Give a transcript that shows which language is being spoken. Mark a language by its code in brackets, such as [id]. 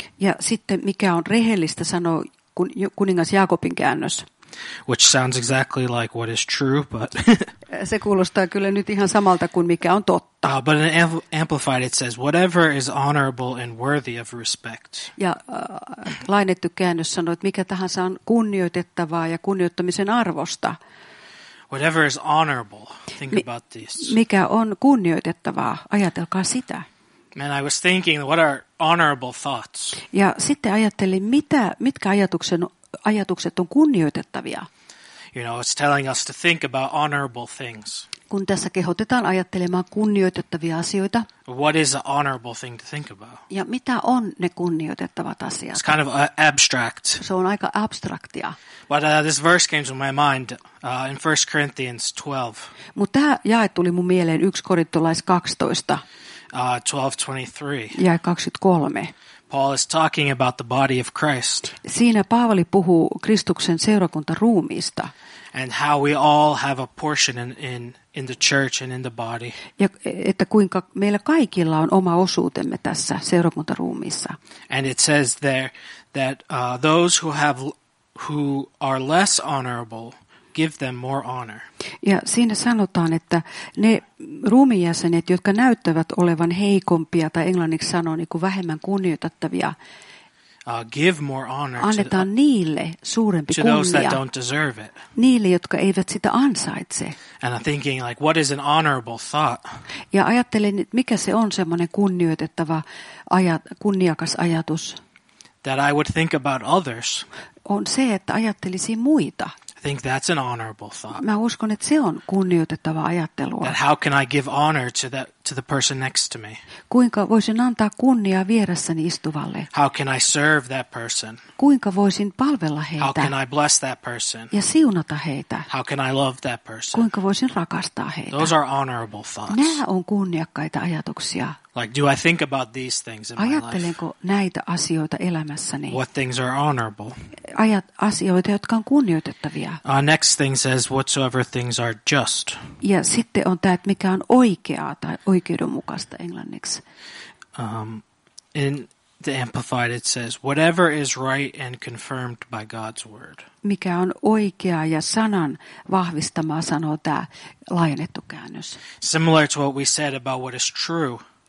[fi] Ja sitten mikä on rehellistä, sanoo kuningas Jaakobin käännös. [en] Which sounds exactly like what is true, but... [fi] Se kuulostaa kyllä nyt ihan samalta kuin mikä on totta. [en] But in Amplified it says, whatever is honorable and worthy of respect. [fi] Ja lainattu käännös sanoo, että mikä tahansa on kunnioitettavaa ja kunnioittamisen arvosta. [en] Whatever is honorable, think about this. [fi] Mikä on kunnioitettavaa, ajatelkaa sitä. [en] And I was thinking, what are honorable thoughts? [fi] Ja sitten ajattelin, mitkä ajatukset on kunnioitettavia. [en] You know, it's telling us to think about honorable things. [fi] Kun tässä kehotetaan ajattelemaan kunnioitettavia asioita. [en] What is an honorable thing to think about? [fi] Ja mitä on ne kunnioitettavat asiat? [en] It's kind of abstract. [fi] Se on aika abstraktia. [en] But this verse came to my mind in 1 Corinthians 12. [fi] Mutta tämä jae tuli mun mieleen 1 Korintolais 12. [en] 12:23. [fi] Jae 23. [en] Paul is talking about the body of Christ. [fi] Siinä Paavali puhuu Kristuksen seurakuntaruumiista. [en] And how we all have a portion in the church and in the body. [fi] Ja että kuinka meillä kaikilla on oma osuutemme tässä seurakuntaruumissa. [en] And it says there that those who are less honorable, give them more honor. [fi] Ja siinä sanotaan, että ne ruumijäsenet, jotka näyttävät olevan heikompia tai englanniksi sanoo niin kuin vähemmän kunnioitettavia, [en] give more honor [fi] annetaan [en] to, [fi] niille suurempi [en] to those that don't deserve it. [fi] Niille, jotka eivät sitä ansaitse. [en] And I'm thinking, like, what is an honorable thought? [fi] Ja ajattelin, että mikä se on semmoinen kunnioitettava, kunniakas ajatus. [en] That I would think about others. [fi] On se, että ajattelisi muita. [en] I think that's an honorable thought. [fi] Mä uskon, että se on kunnioitettava ajattelu. [en] That how can I give honor to the person next to me? [fi] Kuinka voisin antaa kunniaa vieressäni istuvalle? [en] How can I serve that person? [fi] Kuinka voisin palvella heitä? [en] How can I bless that person? [fi] Ja siunata heitä. [en] How can I love that person? [fi] Kuinka voisin rakastaa heitä? [en] Those are honorable thoughts. [fi] Nämä on kunniakkaita ajatuksia. [en] Like, do I think about these things in my life? [fi] Ajattelenko näitä asioita elämässäni? [en] What things are honorable? [fi] Asioita, jotka on kunnioitettavia. [en] Next thing says, whatsoever things are just. [fi] Ja sitten on tämä, että mikä on oikeaa tai oikeudenmukaista englanniksi. [en] In the Amplified it says, whatever is right and confirmed by God's word. [fi] Mikä on oikeaa ja sanan vahvistamaa, sanoo tämä laajennettu käännös. [en] Similar to what we said about what is true.